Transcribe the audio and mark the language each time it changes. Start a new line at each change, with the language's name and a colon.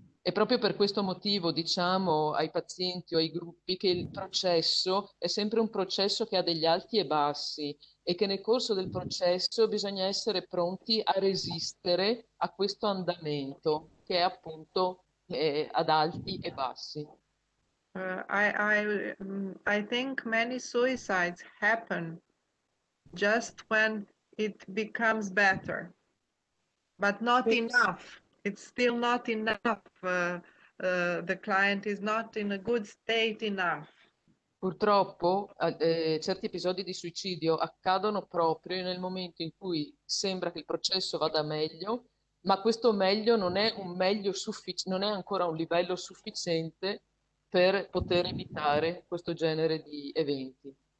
Italian: E proprio per questo motivo diciamo ai pazienti o ai gruppi che il processo è sempre un processo che ha degli alti e bassi e che nel corso del processo bisogna essere pronti a resistere a questo andamento che è appunto ad alti e bassi.
English: I think many suicides happen just when it becomes better, but not enough. It's still not enough. The client is not in a good state enough.
Italian: Purtroppo, certi episodi di suicidio accadono proprio nel momento in cui sembra che il processo vada meglio, ma questo meglio non è un meglio sufficiente, non è ancora un livello sufficiente per poter evitare questo genere di eventi.